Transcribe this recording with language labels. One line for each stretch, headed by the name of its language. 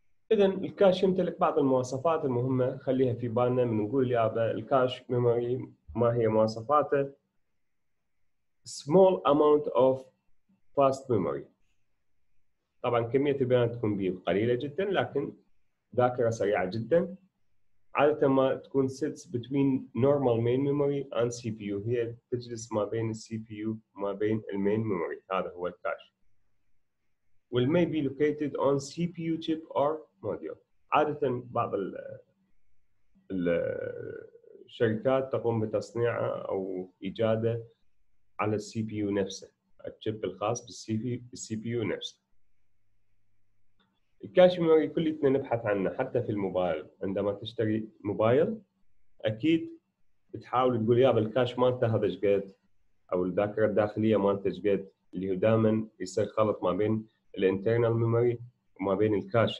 Arabic: إذن الكاش يمتلك بعض المواصفات المهمة خليها في بالنا من نقول يا أبا الكاش ميموري ما هي مواصفاته.
English: Small amount of fast memory.
Arabic: طبعا كمية البيانات تكون بيه قليلة جدا لكن ذاكرة سريعة جدا. عادة ما تكون
English: sits between normal main memory and CPU.
Arabic: هي تجلس ما بين CPU ما بين المين ميموري. هذا هو الكاش.
English: will may be located on CPU chip or module.
Arabic: عادة بعض الشركات تقوم بتصنيعها أو إيجادها على CPU نفسه. الشيب الخاص بالCPU نفسه. الكاش ميموري كلنا نبحث عنه حتى في الموبايل. عندما تشتري موبايل أكيد بتحاول تقول يا بالكاش مالته هذا شقد أو الذاكرة الداخلية مالته شقد اللي هو دائما يصير خلط ما بين الانترنال ميموري وما بين الكاش.